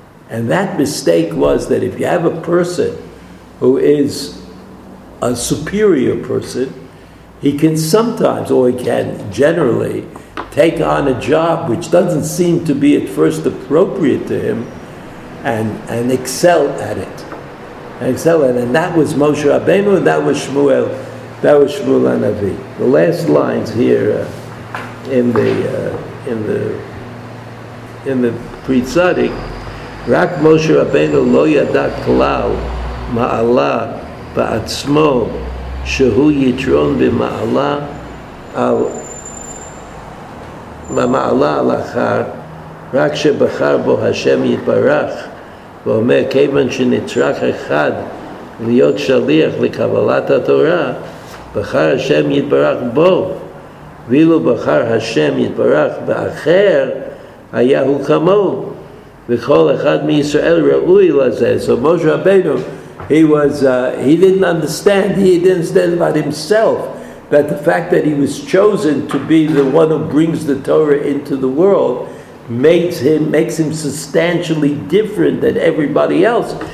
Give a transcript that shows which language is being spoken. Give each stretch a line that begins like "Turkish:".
English: And that mistake was that if you have a person who is a superior person, he can sometimes, or he can generally, take on a job which doesn't seem to be at first appropriate to him and excel at it. And that was Moshe Rabbeinu, and that was Shmuel HaNavi. The last lines here in the Pritzadik,
Hebrew: Rak Moshe Rabbeinu lo yada klau ma'ala ba'atzmo shehu yitron b'ma'ala al ma'ala alachar rak shebachar bo Hashem yitbarach ואומר, כיוון שנצרח אחד להיות שליח לקבלת התורה, בחר השם יתברך בו, ואילו בחר השם יתברך באחר, היה הוא כמוהו, וכל אחד מישראל ראוי לזה.
English: So Moshe Rabbeinu, he didn't understand about himself, that the fact that he was chosen to be the one who brings the Torah into the world, makes him substantially different than everybody else.